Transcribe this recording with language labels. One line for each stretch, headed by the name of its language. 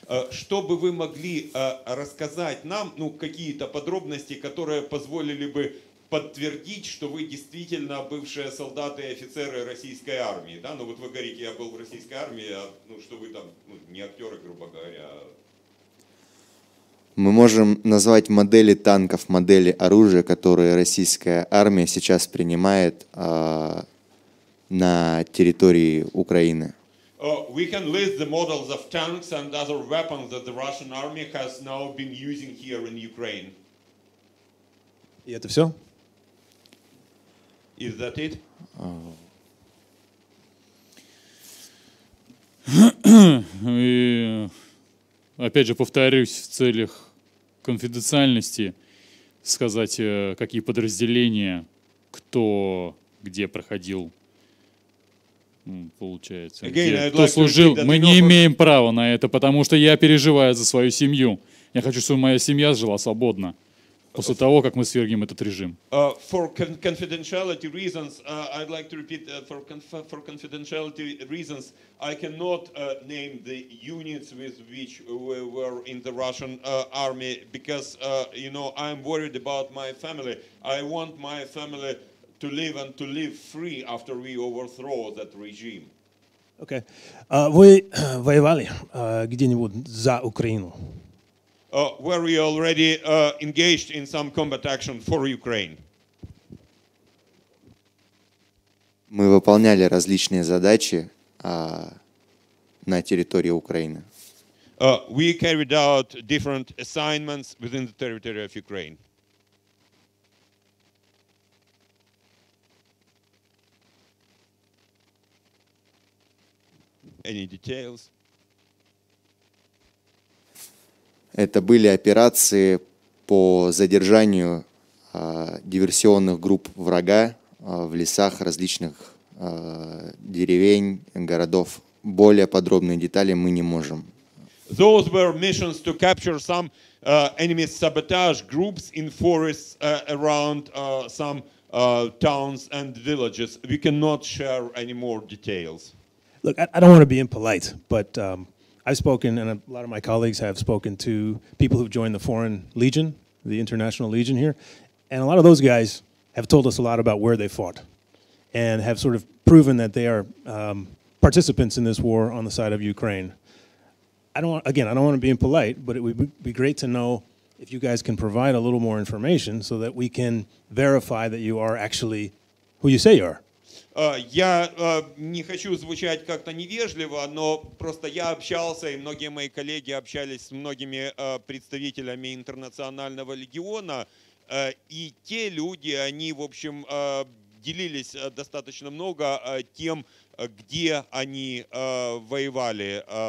Russian: Что бы вы могли рассказать нам, ну, какие-то подробности, которые позволили бы подтвердить, что вы действительно бывшие солдаты и офицеры российской армии, да? Ну, вот вы говорите, я был в российской армии, ну, что вы там, ну, не актеры, грубо говоря. Мы можем назвать модели танков, модели оружия, которые российская армия сейчас принимает на территории Украины.
English: We can list the models of tanks and other weapons that the Russian army has now been using here in Ukraine.
Russian: И это все?
English: Is that it?
Russian: И, опять же, повторюсь, в целях конфиденциальности сказать, какие подразделения, кто где проходил. Получается.
English: Again,
Russian: где,
English: like
Russian: кто служил, мы не имеем права на это, потому что я переживаю за свою семью. Я хочу, чтобы моя семья жила свободно после того, как мы свергнем этот режим.
English: For confidentiality reasons, I'd like to repeat that for confidentiality reasons, I cannot name the units with which we were in the Russian army, because, you know, I'm worried about my family. I want my family to live and to live free after we overthrow that regime. Okay.
Russian: Вы воевали где-нибудь за Украину?
English: Were you already engaged in some combat action for Ukraine?
Russian: Мы выполняли различные задачи на территории Украины.
English: We carried out different assignments within the territory of Ukraine. Any details?
Russian: Это были операции по задержанию диверсионных групп врага в лесах различных деревень, городов. Более подробные детали мы не можем
English: Those were missions to capture some enemy sabotage groups in forests around some towns and villages. We cannot share any more details. Look, I don't want to be impolite, but I've spoken, and a lot of my colleagues have spoken to people who've joined the Foreign Legion, the International Legion here, and a lot of those guys have told us a lot about where they fought and have sort of proven that they are participants in this war on the side of Ukraine. I don't want to be impolite, but it would be great to know if you guys can provide a little more information so that we can verify that you are actually who you say you are.
Russian: Я не хочу звучать как-то невежливо, но просто я общался, и многие мои коллеги общались с многими представителями Интернационального легиона, и те люди, они, в общем, делились достаточно много тем, где они воевали.